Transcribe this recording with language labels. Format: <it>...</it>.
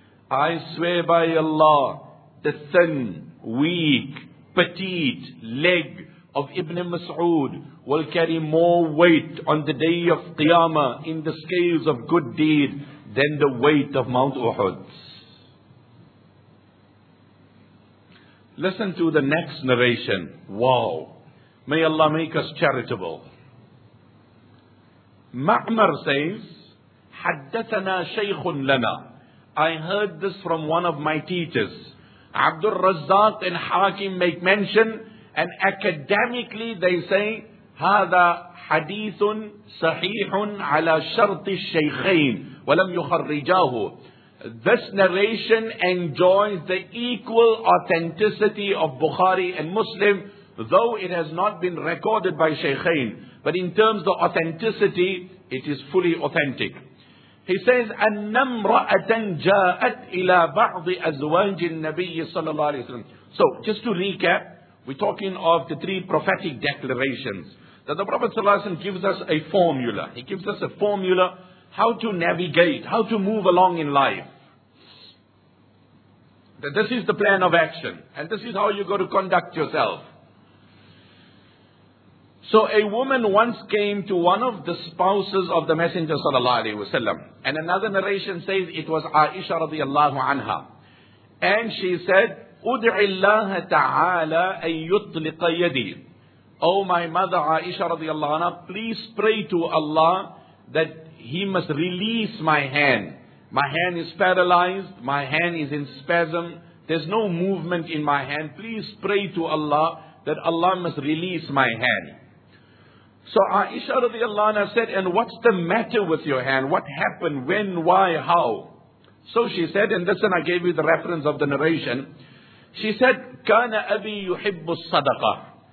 <en>I swear by Allah, the thin, weak, petite leg of Ibn Mas'ud will carry more weight on the day of Qiyamah in the scales of good deed than the weight of Mount Uhud. Listen to the next narration. Wow. May Allah make us charitable. Ma'mar says,</en> <ar>حَدَّثَنَا شَيْخٌ لَنَا.</ar> <en>I heard this from one of my teachers. Abdul Razzaq and Hakim make mention, and academically they say,</en> <ar>هَذَا حَدِيثٌ صَحِيحٌ عَلَى شَرْطِ الشَّيْخَيْنِ وَلَمْ يُخَرِّجَاهُ.</ar> <en>This narration enjoys the equal authenticity of Bukhari and Muslim, though it has not been recorded by Shaykhain. But in terms of authenticity, it is fully authentic. He says,</en> <ar>أَنَّمْ رَأَةً جَاءَتْ إِلَى بَعْضِ أَزْوَاجِ النَّبِيِّ صَلَى اللَّهِ عَلَيْهِ وَسَلَّمْ.</ar> <en>So, just to recap, we're talking of the three prophetic declarations. That the Prophet ﷺ gives us a formula. He gives us a formula how to navigate, how to move along in life. That this is the plan of action. And this is how you're going to conduct yourself. So a woman once came to one of the spouses of the Messenger sallallahu alaihi wasallam, and another narration says it was Aisha radiallahu anha, and she said,</en> <ar>"Ud'i Allah ta'ala an yutliqa yadi."</ar> <en>Oh my mother Aisha radiallahu anha, please pray to Allah that He must release my hand. My hand is paralyzed. My hand is in spasm. There's no movement in my hand. Please pray to Allah that Allah must release my hand. So Aisha radiallahu anha said, and what's the matter with your hand? What happened? When? Why? How? So she said, and listen, I gave you the reference of the narration. She said,</en> <ar>كَانَ أَبِي يُحِبُّ الصَّدَقَةِ.</ar>